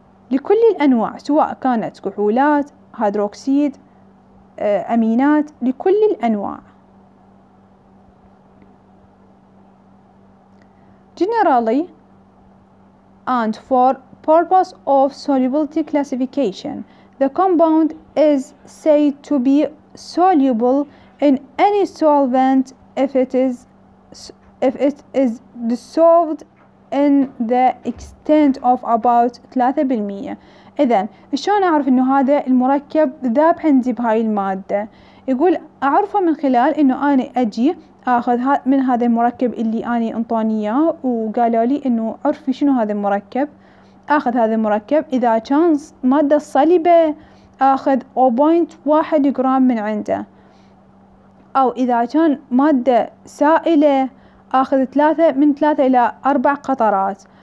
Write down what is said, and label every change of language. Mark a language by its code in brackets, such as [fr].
[ar] لكل الأنواع سواء كانت كحولات هيدروكسيد أمينات، لكل الأنواع. [en] Generally and for purpose of solubility classification, the compound is said to be soluble in any solvent if it is dissolved in the extent of about 3%. [ar] إذا شلون أعرف إنه هذا المركب ذاب عندي بهاي المادة؟ يقول أعرفه من خلال إنه أنا أجي أخذ من هذا المركب اللي أنا أنطوني إياه وقالوا لي إنه عرفي شنو هذا المركب، أخذ هذا المركب إذا كان مادة صلبة أخذ 0.1 جرام من عنده، أو إذا كان مادة سائلة أخذ من ثلاثة إلى أربع قطرات.